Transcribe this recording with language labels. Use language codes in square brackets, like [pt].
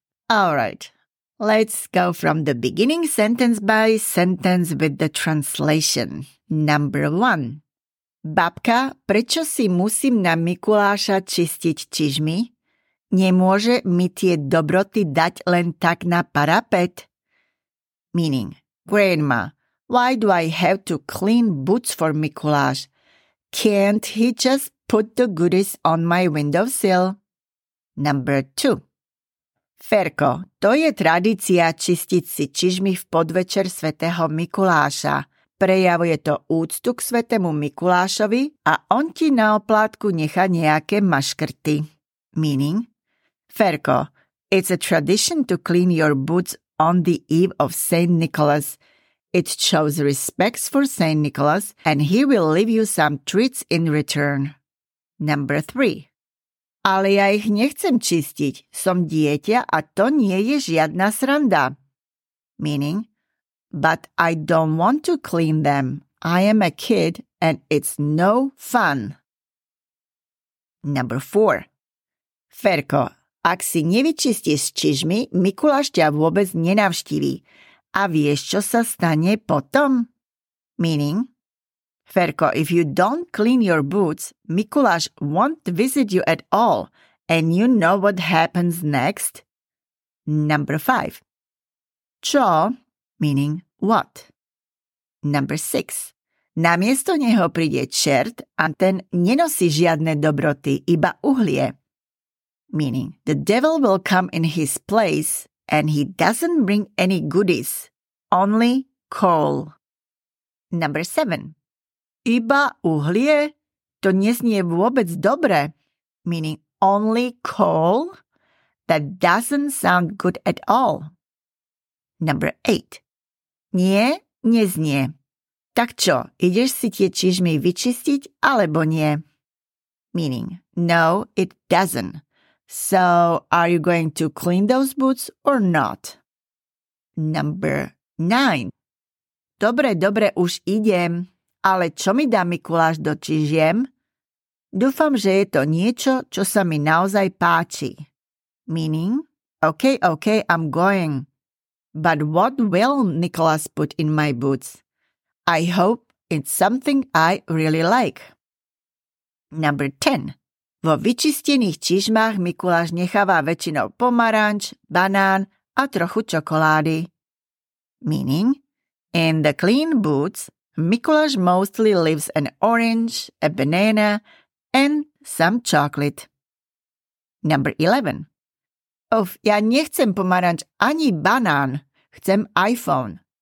[en] Alright, let's go from the beginning sentence by sentence with the translation. Number one. [sk] Babka, prečo si musím na Mikuláša čistiť čižmy? Nemôže mi tie dobroty dať len tak na parapet? [en] Meaning, grandma, why do I have to clean boots for Mikuláš? Can't he just put the goodies on my windowsill? Number 2. [sk] Ferko, to je tradícia čistiť si čižmy v podvečer svätého Mikuláša. Prejavuje to úctu k svätému Mikulášovi a on ti na oplátku nechá nejaké maškrty. [en] Meaning, Ferko, it's a tradition to clean your boots on the eve of Saint Nicholas. It shows respects for Saint Nicholas and he will leave you some treats in return. Number 3. [sk] Ale ja ich nechcem čistiť. Som dieťa a to nie je žiadna sranda. [en] Meaning, but I don't want to clean them. I am a kid and it's no fun. Number 4. [sk] Ferko, ak si nevyčistíš čižmy, Mikuláš ťa vôbec nenavštíví. A vieš, čo sa stane potom? [en] Meaning, Ferko, if you don't clean your boots, Mikuláš won't visit you at all. And you know what happens next? Number 5. Čo, meaning what? Number 6. [sk] Namiesto neho príde čert a ten nenosí žiadne dobroty, iba uhlie. [en] Meaning, the devil will come in his place and he doesn't bring any goodies, only coal. Number 7. [sk] Iba uhlie? To neznie vôbec dobre. [en] Meaning, only coal? That doesn't sound good at all. Number 8. [sk] Nie, neznie. Tak čo, ideš si tie čižmy vyčistiť alebo nie? [en] Meaning, no, it doesn't. So, are you going to clean those boots or not? Number 9. [sk] Dobre, dobre, už idem. Ale čo mi dá Mikuláš do čižiem? Dúfam, že je to niečo, čo sa mi naozaj páči. [en] Meaning, okay, okay, I'm going. But what will Nicholas put in my boots? I hope it's something I really like. Number 10. [sk] Vo vyčistených čižmách Mikuláš necháva väčšinou pomaranč, banán a trochu čokolády. [en] Meaning, in the clean boots, Mikuláš mostly leaves an orange, a banana and some chocolate. Number 11. [sk] Uf, ja nechcem pomaranč ani banán, chcem iPhone.